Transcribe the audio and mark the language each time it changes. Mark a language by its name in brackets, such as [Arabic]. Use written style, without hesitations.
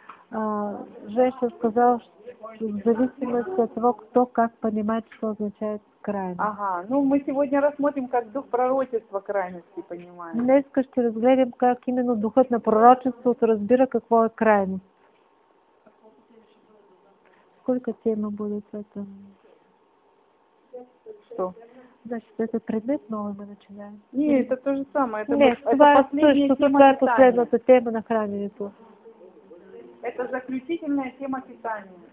[Russian] Женщина сказала, что в зависимости от того, кто как понимает, что означает крайность. Ага, ну мы сегодня рассмотрим, как дух пророчества крайности понимает. [Bulgarian] Днеска ще разглядим, как именно духът на пророчеството разбира, какво е крайност. [Russian] Сколько тема будет в этом? Что? Значит, это предмет новый мы начинаем? Не, это то же самое. Это нет, это последняя то, тема питания. Последняя тема на хранилище. Это заключительная тема питания.